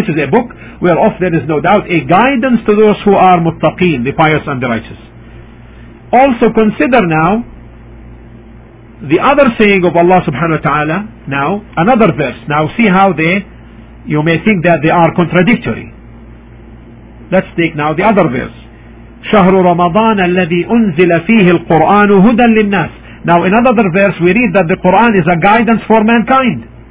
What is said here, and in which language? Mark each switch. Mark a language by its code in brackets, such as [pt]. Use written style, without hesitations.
[en] This is a book whereof there is no doubt a guidance to those who are muttaqin, the pious and the righteous. Also consider now the other saying of Allah subhanahu wa ta'ala, now another verse. Now see how they, you may think that they are contradictory. Let's take now the other verse. [ar] شهر رمضان الذي أنزل فيه القرآن هدى للناس. [en] Now in another verse we read that the Quran is a guidance for mankind.